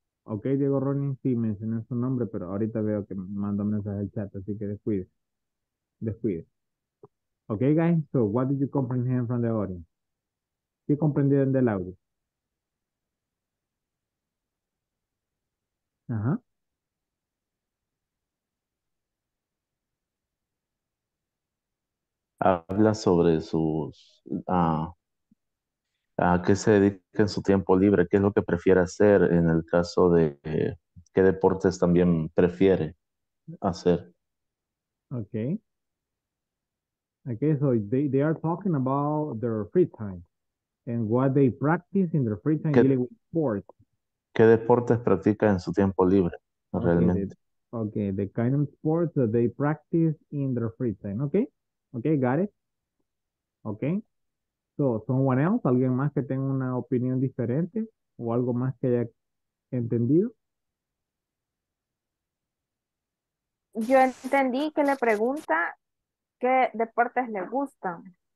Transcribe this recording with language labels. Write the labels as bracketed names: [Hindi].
[Spanish] Ok, Diego Ronin, sí, mencioné su nombre, pero ahorita veo que manda mensaje al chat, así que descuide. Descuide. [English] Ok, guys, so what did you comprehend from the audience? [Spanish] ¿Qué comprendieron del audio? Ajá. Habla sobre sus. ¿A qué se dedica en su tiempo libre? ¿Qué es lo que prefiere hacer en el caso de qué deportes también prefiere hacer? [English] Okay. Okay, so they are talking about their free time and what they practice in their free time dealing with sports. [Spanish] ¿Qué deportes practica en su tiempo libre realmente? [English] Okay, the kind of sports that they practice in their free time. Okay. Okay, got it. Okay. So, someone else, [Spanish] alguien más que tenga una opinión diferente o algo más que haya entendido. Yo entendí que le pregunta qué deportes le gustan.